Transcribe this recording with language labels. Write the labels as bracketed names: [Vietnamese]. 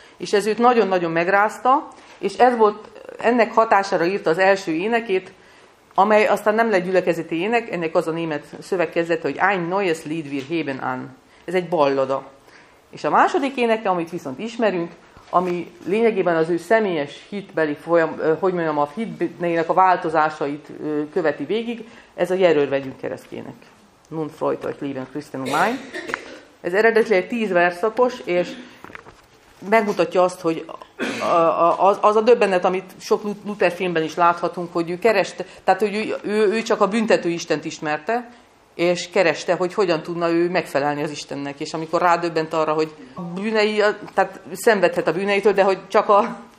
[Hungarian] És ez őt nagyon-nagyon megrázta, és ez volt, ennek hatására írta az első énekét, amely aztán nem lett gyülekezeti ének, ennek az a német szövegkezdete, hogy [German] Ein neues Lied wir heben an. [Hungarian] Ez egy ballada. És a második éneke, amit viszont ismerünk, ami lényegében az ő személyes hitbeli a hitnek a változásait követi végig, ez a Jerőr vegyünk keresztjének. [German] Nun freut euch lieben Christen und mein. [Hungarian] Ez eredetileg 10 verszakos, és megmutatja azt, hogy az a döbbenet, amit sok Luther filmben is láthatunk, hogy ő kereste, tehát hogy ő csak a büntető Istent ismerte, és kereste, hogy hogyan tudna ő megfelelni az Istennek, és amikor rádöbbent arra, hogy bűnei, tehát szenvedhet a bűneitől, de hogy csak a